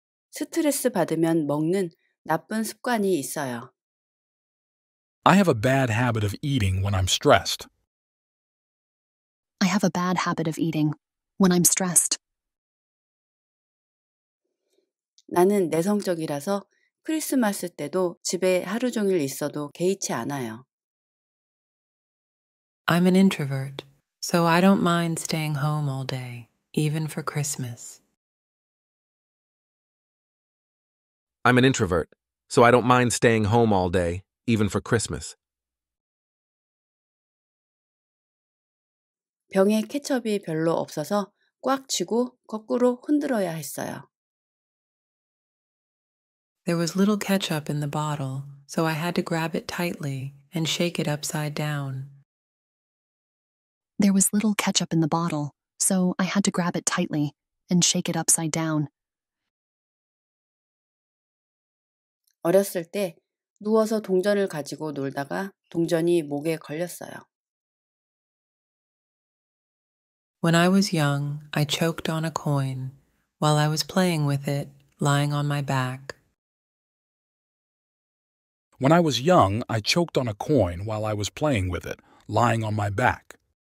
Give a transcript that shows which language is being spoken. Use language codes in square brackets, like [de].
[ko] 스트레스 받으면 먹는 나쁜 습관이 있어요. [en] I have a bad habit of eating when I'm stressed. I have a bad habit of eating when I'm stressed. [ko] 나는 내성적이라서 크리스마스 때도 집에 하루 종일 있어도 개의치 않아요. [en] I'm an introvert, so I don't mind staying home all day, even for Christmas. I'm an introvert, so I don't mind staying home all day, even for Christmas. [ko] 병에 케첩이 별로 없어서 꽉 쥐고 거꾸로 흔들어야 했어요. [en] There was little ketchup in the bottle, so I had to grab it tightly and shake it upside down. There was little ketchup in the bottle, so I had to grab it tightly and shake it upside down. [ko] 어렸을 때 누워서 동전을 가지고 놀다가 동전이 목에 걸렸어요. [en] When I was young, I choked on a coin. While I was playing with it, lying on my back. When I was young, I choked on a coin while I was playing with it, lying on my back.